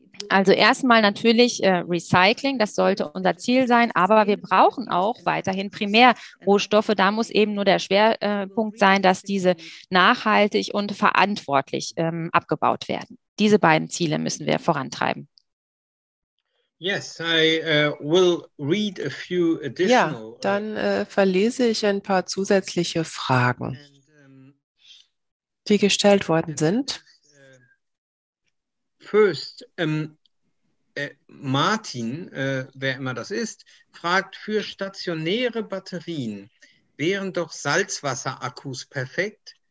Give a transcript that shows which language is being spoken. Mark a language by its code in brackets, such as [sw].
[de] Also erstmal natürlich Recycling, das sollte unser Ziel sein, aber wir brauchen auch weiterhin Primärrohstoffe. Da muss eben nur der Schwerpunkt sein, dass diese nachhaltig und verantwortlich abgebaut werden. Diese beiden Ziele müssen wir vorantreiben. [en] Yes, I will read a few additional. [de] Ja, dann verlese ich ein paar zusätzliche Fragen, die gestellt worden sind. First, Martin, wer immer das ist, fragt: Für stationäre Batterien wären doch Salzwasserakkus perfekt.